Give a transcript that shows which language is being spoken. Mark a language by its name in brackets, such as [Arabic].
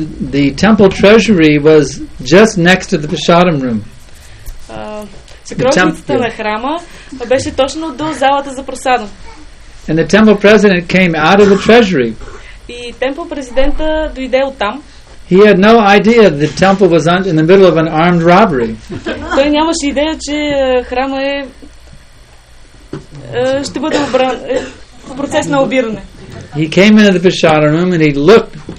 [English] The temple treasury was just next to the prasadam room. [Bulgarian] Съкровищата на храма беше точно до залата за прасадам. [English] And the temple president came out of the treasury. [Bulgarian] И темпл президента дойде оттам. [English] He had no idea the temple was in the middle of an armed robbery. [Bulgarian] Той нямаше идея, че храма е ще бъде обран в процес на обиране. [English] He came into the prasadam room and he looked.